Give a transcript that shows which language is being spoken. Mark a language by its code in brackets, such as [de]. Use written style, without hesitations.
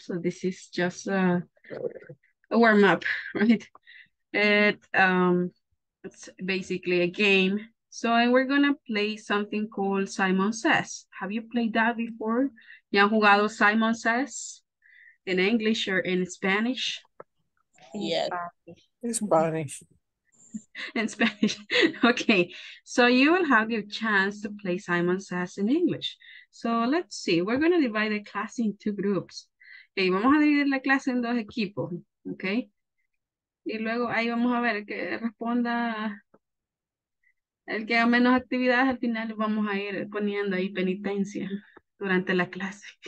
[en] So this is just a warm up, right? It's basically a game. So we're gonna play something called Simon Says. Have you played that before? [es] ¿Ya han jugado [en] Simon Says in English or in Spanish? Yes, In Spanish. In Spanish. Okay, so you will have your chance to play Simon Says in English. So let's see, we're going to divide the class in two groups. [es] Okay, vamos a dividir la clase en dos equipos. Okay, y luego ahí vamos a ver que responda el que haga menos actividades. Al final vamos a ir poniendo ahí penitencia durante la clase.